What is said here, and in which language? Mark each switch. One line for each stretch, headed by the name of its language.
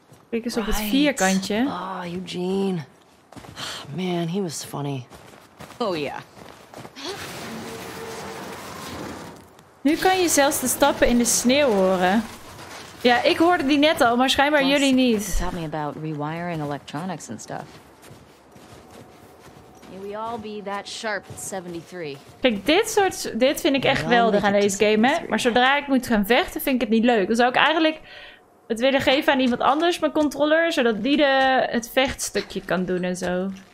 Dutch: Kijk eens op het vierkantje.
English: Ah, oh, Eugene. Man, he was funny. Oh, yeah.
Dutch: Nu kan je zelfs de stappen in de sneeuw horen. Ja, ik hoorde die net al, maar schijnbaar jullie niet.
English: It taught me about rewiring electronics and stuff. May we all be that sharp at 73.
Dutch: Kijk, dit vind ik echt geweldig aan deze game, hè. Maar zodra ik moet gaan vechten, vind ik het niet leuk. Dan zou ik eigenlijk het willen geven aan iemand anders, mijn controller, zodat die het vechtstukje kan doen en zo.